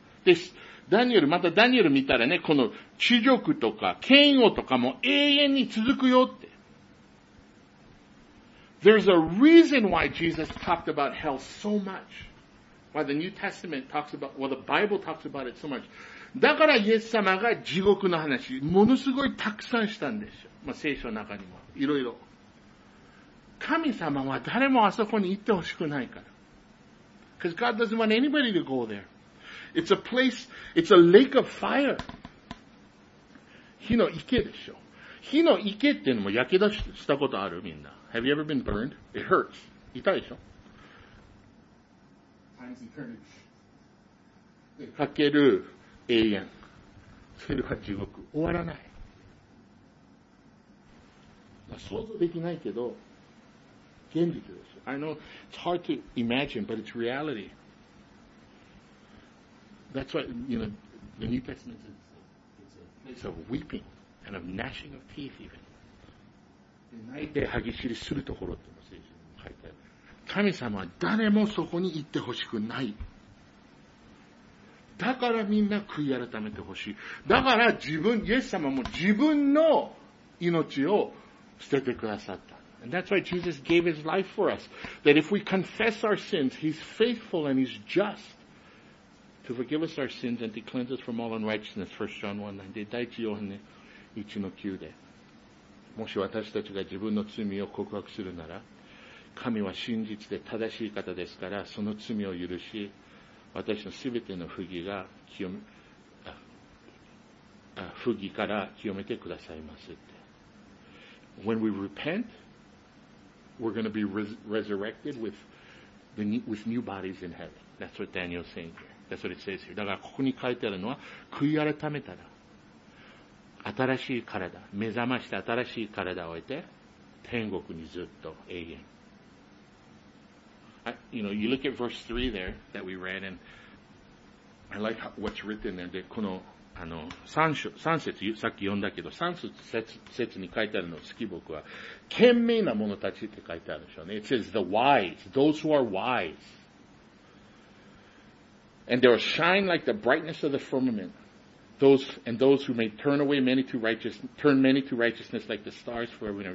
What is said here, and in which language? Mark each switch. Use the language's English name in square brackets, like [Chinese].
[Japanese] This, Daniel, またダニエル見たらね、この恥辱とか嫌悪とかも永遠に続くよって。 [English] There's a reason why Jesus talked about hell so much. Why the New Testament talks about, well, the Bible talks about it so much. [Japanese] だからイエス様が地獄の話、ものすごいたくさんしたんですよ。まあ、聖書の中にも、いろいろ。神様は誰もあそこに行ってほしくないから。 [English] Because God doesn't want anybody to go there. It's a place, it's a lake of fire. [Japanese] 火の池でしょ。火の池っていうのも焼け出したことあるみんな。 [English] Have you ever been burned? It hurts. [Japanese] 痛いでしょ。かける永遠。それは地獄。終わらない。まあ、想像できないけど、現実です。 [English] I know it's hard to imagine, but it's reality. That's why, you know, the New Testament says it's a place of weeping and of gnashing of teeth even. [Japanese] 泣いて歯ぎしりするところって聖書に書いてある。神様は誰もそこに行ってほしくない。だからみんな悔い改めてほしい。だから自分、イエス様も自分の命を捨ててくださった。 [English] And that's why Jesus gave his life for us. That if we confess our sins, he's faithful and he's just to forgive us our sins and to cleanse us from all unrighteousness. 1 John 1:9. [Japanese] 第1ヨハネ 1:9 で。もし私たちが自分の罪を告白するなら、神は真実で正しい方ですから、その罪を許し、私のすべての不義が清め、不義から清めてくださいますって。 [English] When we repent, we're going to be resurrected with new bodies in heaven. That's what Daniel's saying here. That's what it says here. [Japanese] だからここに書いてあるのは、悔い改めたら、新しい体、目覚まして新しい体を得て、天国にずっと永遠。 [English] You know, you look at verse 3 there that we read, and I like what's written there. [Japanese] で、この、あの、三節、さっき読んだけど、三節に書いてあるの好き僕は、賢明な者たちって書いてあるでしょうね。 [English] It says, the wise, those who are wise. And they will shine like the brightness of the firmament. Those who may turn many to righteousness like the stars forever and ever.